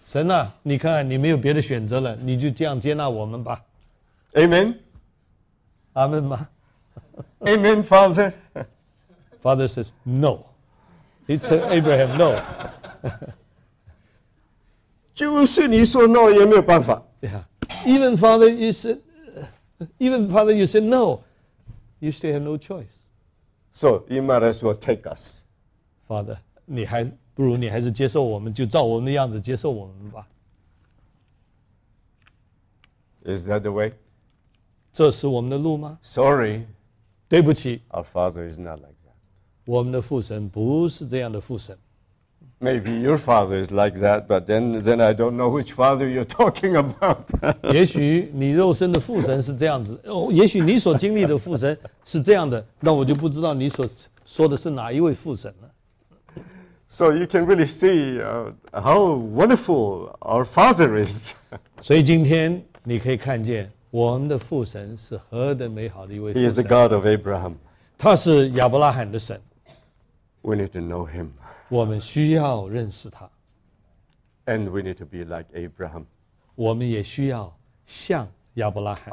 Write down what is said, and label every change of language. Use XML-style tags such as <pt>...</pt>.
<zh>神啊，你看看你没有别的选择了，你就这样接纳我们吧。</zh> <en>Amen.</en> <zh>阿门吗</zh> <en>？Amen, Father. Father says no. He said Abraham no.</en> <zh>就是你说 no 也没有办法。</zh> <en>Yeah. Even Father, you said, even Father, you said no. You still have no choice. So you might as well take us.</en> <zh>Father, 你还。不如你还是接受我们，就照我们的样子接受我们吧。</zh> <en>Is that the way?</en> <zh>这是我们的路吗？</zh> <en>Sorry.</en> <zh>对不起。</zh> <en>Our father is not like that.</en> <zh>我们的父神不是这样的父神。</zh> <en>Maybe your father is like that, but then I don't know which father you're talking about.</en> <zh>也许你肉身的父神是这样子，也许你所经历的父神是这样的，那我就不知道你所说的是哪一位父神了。</zh> <en>So you can really see how wonderful our Father is.</en> <zh>所以今天你可以看见我们的父神是何等美好的一位父神。</zh> <en>He is the God of Abraham.</en> <zh>他是亚伯拉罕的神。</zh> <en>We need to know him.</en> <zh>我们需要认识他。</zh> <en>And we need to be like Abraham.</en> <zh>我们也需要像亚伯拉罕。</zh>